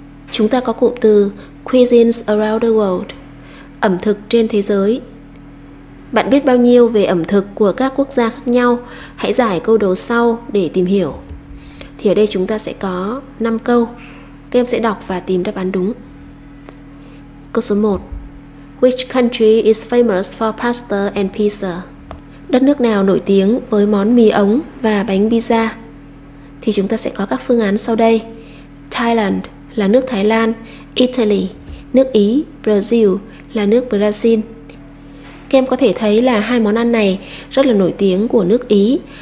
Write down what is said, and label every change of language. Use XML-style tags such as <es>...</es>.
<vi>Chúng ta có cụm từ</vi> <en>cuisines around the world,</en> <vi>ẩm thực trên thế giới. Bạn biết bao nhiêu về ẩm thực của các quốc gia khác nhau? Hãy giải câu đố sau để tìm hiểu. Thì ở đây chúng ta sẽ có 5 câu. Các em sẽ đọc và tìm đáp án đúng. Câu số 1.</vi> <en>Which country is famous for pasta and pizza?</en> <vi>Đất nước nào nổi tiếng với món mì ống và bánh pizza? Thì chúng ta sẽ có các phương án sau đây. Thailand là nước Thái Lan, Italy, nước Ý, Brazil là nước Brazil. Các em có thể thấy là hai món ăn này rất là nổi tiếng của nước Ý,</vi>